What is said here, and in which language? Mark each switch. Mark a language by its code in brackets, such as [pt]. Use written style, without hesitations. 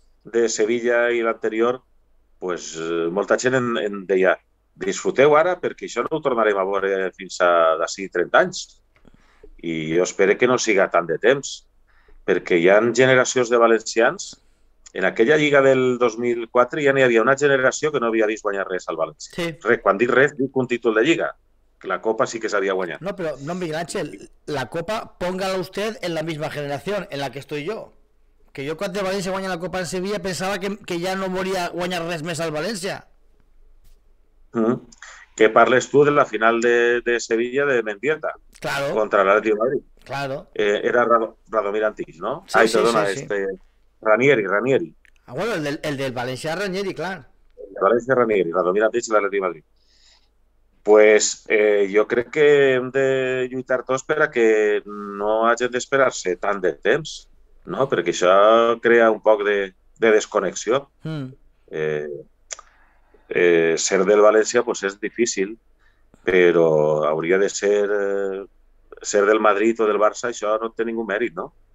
[ca] de Sevilla i l'anterior, pues molta gent en deia, disfruteu ara perquè això no ho tornarem a veure fins a d'ací 30 anys. I jo espero que no siga tant de temps, perquè hi ha generacions de valencians. En aquella lliga del 2004 ja n'hi havia una generació que no havia vist guanyar res al València. Sí. Res, quan dic res, dic un títol de lliga. La Copa sí que s'havia guanyat. No, però no, [es] Miguel Ángel, la Copa póngala usted en la misma generación en la que estoy yo. Que yo cuando el Valencia guanya la Copa en Sevilla pensaba que ya no moría [ca] guanyar res més [es] al Valencia. ¿Qué parles tú de la final de Sevilla de Mendieta? Claro. Contra el Atlético de Madrid. Claro. Era Radomir Antich, ¿no? Sí, ay, sí, perdona, sí, este, sí. Ranieri. Ah, bueno, el del Valencia Ranieri, claro. El Valencia Ranieri, Radomir Antich y el Atlético de Madrid. Pues yo creo que hemos de lluitar todos para que no hagan de esperarse [ca] tan de temps. No, perquè això crea un poc de desconnexió. Ser del València pues és difícil, però hauria de ser del Madrid o del Barça, això no té ningú mèrit, no?